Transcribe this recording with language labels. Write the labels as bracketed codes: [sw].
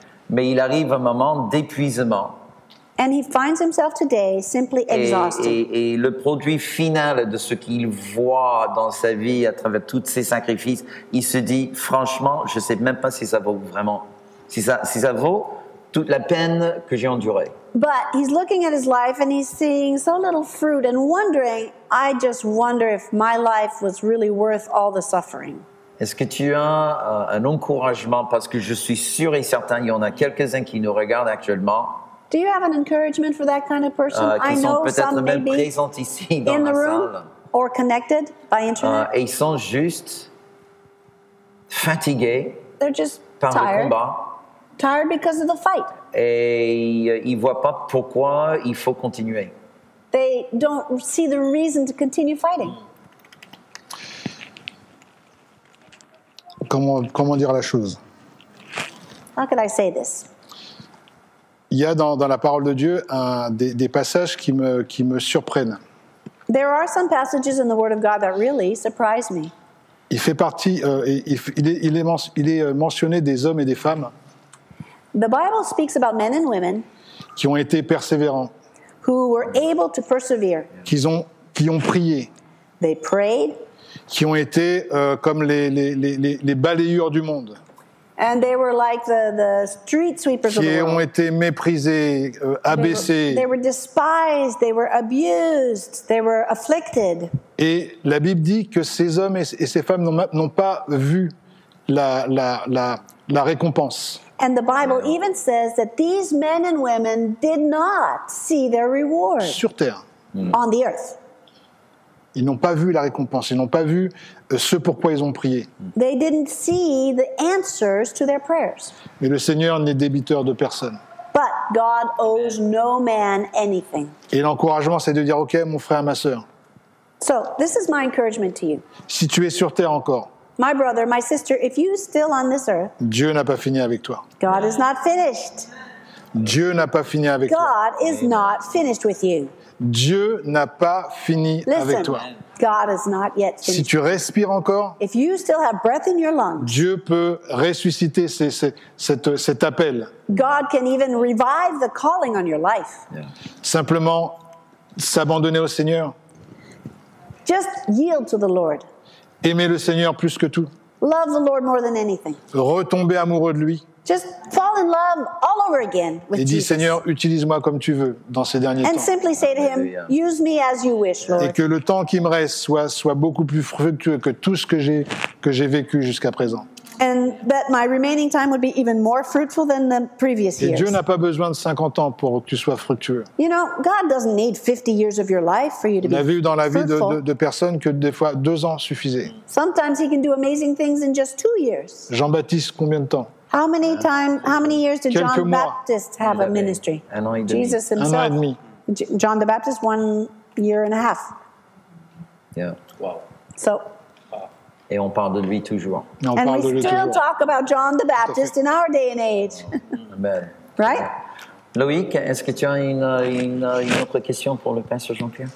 [fr] Mais il arrive un moment d'épuisement. [en] And he finds himself today simply exhausted. [fr] Et le produit final de ce qu'il voit dans sa vie à travers tous ses sacrifices, il se dit, franchement, je ne sais même pas si ça vaut vraiment, si ça vaut toute la peine que j'ai endurée. [en] But he's looking at his life and he's seeing so little fruit and wondering, I just wonder if my life was really worth all the suffering. [fr] Est-ce que tu as un encouragement parce que je suis sûr et certain il y en a quelques-uns qui nous regardent actuellement. [en] Do you have an encouragement for that kind of person? I know some maybe [fr] présent ici dans [en] in the room [fr] salle. [en] Or connected by internet. [fr] Et ils sont juste fatigués. [en] They're just [fr] par [en] tired. [fr] Le combat. [en] Tired because of the fight. [fr] Et ils voient pas pourquoi il faut continuer. [en] They don't see the reason to continue fighting. [fr] Comment dire la chose? [en] How can I say this? [fr] Il y a dans la parole de Dieu des passages qui me surprennent. [en] There are some passages in the Word of God that really surprise me. [fr] Il fait partie, il est mentionné des hommes et des femmes. [en] The Bible speaks about men and women [fr] qui ont été persévérants. [en] Who were able to persevere. [fr] Qui ont prié. [en] They prayed. [fr] Qui ont été comme les balayeurs du monde. [en] And they were like the street sweepers [fr] qui [en] of the world. [fr] Ont été méprisés, abaissés. [en] They were despised, they were abused, they were afflicted. [fr] Et la Bible dit que ces hommes et ces femmes n'ont pas vu la récompense. [en] And the Bible even says that these men and women did not see their reward. [fr] Sur terre. [en] Mm. On the earth. [fr] Ils n'ont pas vu la récompense, ils n'ont pas vu ce pourquoi ils ont prié. [en] They didn't see the answers to their prayers. [fr] Mais le Seigneur n'est débiteur de personne. [en] But God owes no man anything. [fr] Et l'encouragement, c'est de dire, OK, mon frère, ma sœur, [en] so, this is my encouragement to you. [fr] Si tu es sur terre encore, [en] my brother, my sister, if you're still on this earth, [fr] Dieu n'a pas fini avec toi. [en] God is not finished. [fr] Dieu n'a pas fini avec [en] God [fr] toi. [en] Is not finished with you. [fr] Dieu n'a pas fini [en] Listen, [fr] avec toi. [en] God is not yet finished. [fr] Si tu respires encore, [en] if you still have breath in your lungs, [fr] Dieu peut ressusciter cet appel. [en] God can even revive the calling on your life. Yeah. [fr] Simplement, s'abandonner au Seigneur. [en] Just yield to the Lord. [fr] Aimer le Seigneur plus que tout. [en] Love the Lord more than anything. [fr] Retomber amoureux de lui. [en] just fall in love all over again with [fr] Jesus. Et dis, Seigneur, utilise-moi comme tu veux dans ces derniers [en] and [fr] temps. [en] Simply say to him, use me as you wish, Lord. [fr] Et que le temps qui me reste soit beaucoup plus fructueux que tout ce que j'ai vécu jusqu'à présent. [en] And that my remaining time would be even more fruitful than the previous years. [fr] Et Dieu n'a pas besoin de 50 ans pour que tu sois fructueux. [en] You know, God doesn't need 50 years of your life for you to be fruitful. [fr] On a vu dans la vie de personnes que des fois 2 ans suffisaient. [en] Sometimes he can do amazing things in just 2 years. [fr] Jean-Baptiste, combien de temps? [en] How many years did John the Baptist have a ministry? Jesus himself. [fr] Un an et demi. [en] John the Baptist, 1 year and a half. Yeah. Wow. So. [fr] Et on parle de lui toujours. [en] And we still talk about John the Baptist in our day and age. Amen. Right? [fr] Loïc, est-ce que tu as une autre question pour le pasteur Jean-Pierre?